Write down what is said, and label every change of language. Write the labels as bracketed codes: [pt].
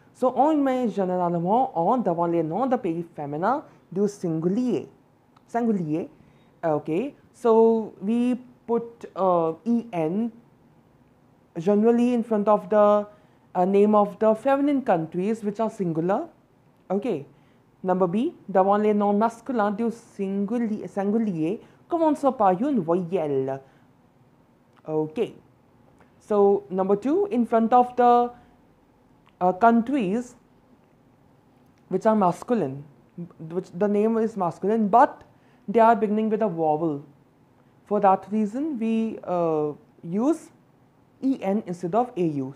[fr] So, on met généralement en devant les noms de pays féminins du singulier. Singulier. Okay. [en] So, we put en generally in front of the name of the feminine countries which are singular. Okay. Number B, [fr] devant les noms masculins du singulier. Commence par une voyelle. Okay. [en] So, number two, in front of the countries which are masculine, which the name is masculine, but they are beginning with a vowel. For that reason, we use en instead of au.